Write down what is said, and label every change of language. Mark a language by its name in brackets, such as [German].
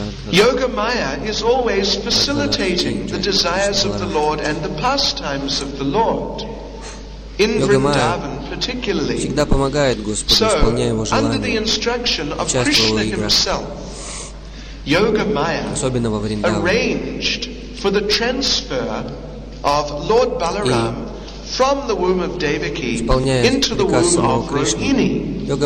[English] Yoga Maya is always facilitating the desires of the Lord and the pastimes of the Lord. In Vrindavan particularly. [Russian] Всегда помогает Господу, исполняя его желания. [English] Under the instruction of Krishna himself, Yoga Maya arranged for the transfer of Lord Balaram from the womb of Devaki into the womb of Rohini.